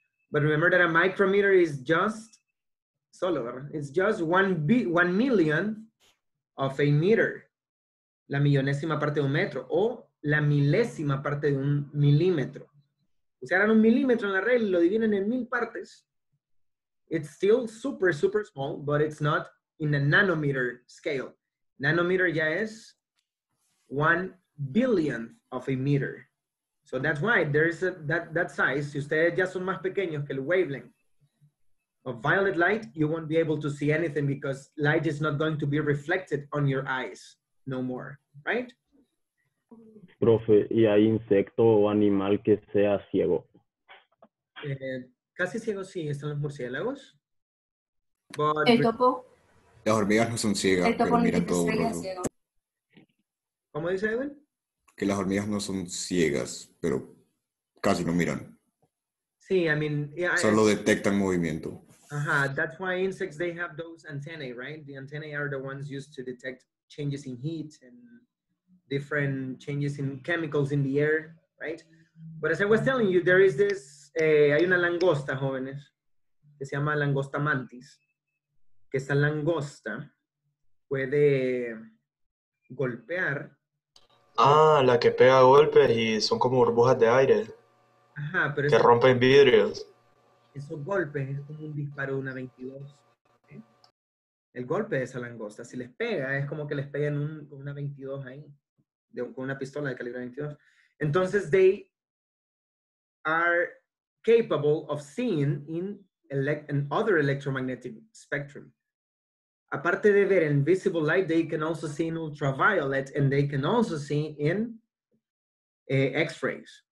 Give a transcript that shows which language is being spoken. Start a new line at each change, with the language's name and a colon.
English: But remember that a micrometer is just,
Spanish: solo, ¿verdad?
English: It's just one million of a meter.
Spanish: La millonésima parte de un metro. O la milésima parte de un milímetro. O sea, harán un milímetro en la regla y lo dividen en mil partes.
English: It's still super, super small, but it's not in a nanometer scale. Nanometer
Spanish: ya es
English: 1 billionth of a meter. So that's why there is that size.
Spanish: Si ustedes ya son más pequeños que el
English: wavelength of violet light, you won't be able to see anything because light is not going to be reflected on your eyes no more, right?
Spanish: Profe, ¿y hay insecto o animal que sea ciego? Casi ciego sí, están los murciélagos. But el topo. Las hormigas no son ciegas, el topo pero mira todo. Ciego. ¿Cómo dice Edwin? Que las hormigas no son ciegas, pero casi no miran.
English: Sí, I mean... Yeah,
Spanish: solo detectan movimiento.
English: Ajá, that's why insects, they have those antennae, right? The antennae are the ones used to detect changes in heat and different changes in chemicals in the air, right? But as I was telling you, there is this...
Spanish: hay una langosta, jóvenes, que se llama langosta mantis. Que esa langosta puede golpear... Ah, la que pega golpes y son como burbujas de aire. Ajá, pero... Que rompen vidrios. Esos golpes es como un disparo de una 22. ¿Eh? El golpe de esa langosta, si les pega, es como que les peguen una 22 ahí. Con una pistola de calibre 22.
English: Entonces, they are capable of seeing in other electromagnetic spectrum.
Spanish: Aparte de ver en
English: visible light, they can also see in ultraviolet and they can also see in X-rays.